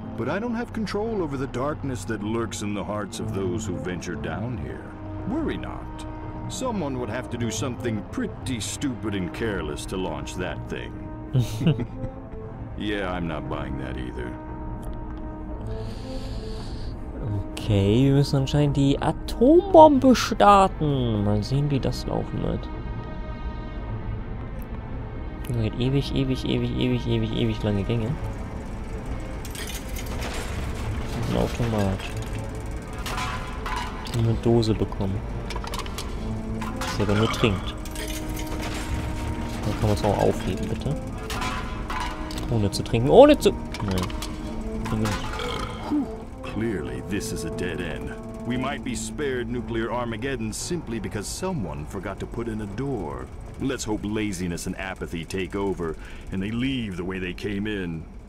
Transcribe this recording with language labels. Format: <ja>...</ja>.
<en>But I don't have control over the darkness that lurks in the hearts of those who venture down here. Worry not. Someone would have to do something pretty stupid and careless to launch that thing. Yeah, I'm not buying that either.</en> <de>Okay, wir müssen anscheinend die Atombombe starten. Mal sehen, wie das laufen wird. Das geht ewig lange Gänge. Das ist ein Automat. Ich habe eine Dose bekommen. Der dann nur trinkt. Dann kann man es auch aufheben, bitte. Ohne zu trinken. Ohne zu. Nein.</de> <en>Clearly, this is a dead end. We might be spared nuclear Armageddon simply because someone forgot to put in a door. Let's hope laziness and apathy take over and they leave the way they came in.</en>